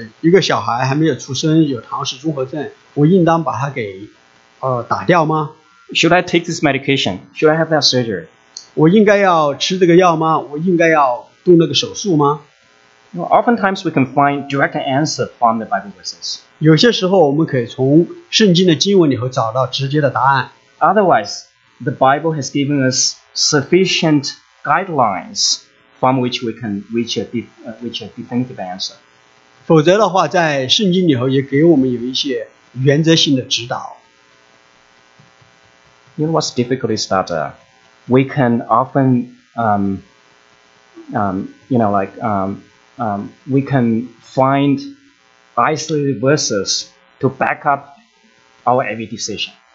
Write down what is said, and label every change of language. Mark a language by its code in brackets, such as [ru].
[zh] 我如果有一个小孩还没有出生，有唐氏综合症， 我应当把他给打掉吗? [en] Should I take this medication? Should I have that surgery? [zh] 我应该要吃这个药吗? 我应该要动那个手术吗? [en] You know, oftentimes we can find direct answer from the Bible verses. [zh] 有些时候我们可以从圣经的经文里头找到直接的答案。 [en] Otherwise, the Bible has given us sufficient guidelines from which we can reach a definitive answer. [zh] 否则的话，在圣经里头也给我们有一些原则性的指导。 [en] You know what's difficult is that we can often, we can find isolated verses to back up our every decision.